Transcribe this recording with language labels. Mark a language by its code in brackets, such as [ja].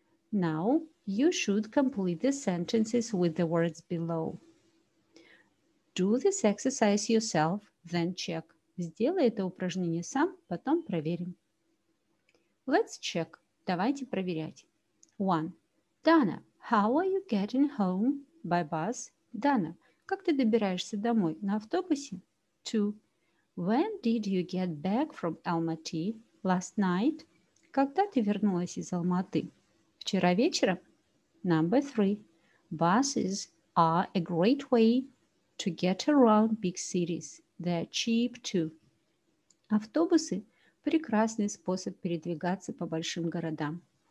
[en] Now you should complete the sentences with the words below. Do this exercise yourself, then check. [ru] Сделай это упражнение сам, потом проверим. [en] Let's check. [ru] Давайте проверять. [en] 1. Dana, how are you getting home by bus? [ru] Dana, как ты добираешься домой? На автобусе? 2. [en] When did you get back from Almaty last night? [ru] Когда ты вернулась из Алматы? Вчера вечером? [en] Number 3. Buses are a great way to get around big cities. They're cheap too. [ru] Автобусы – прекрасный способ передвигаться по большим городам.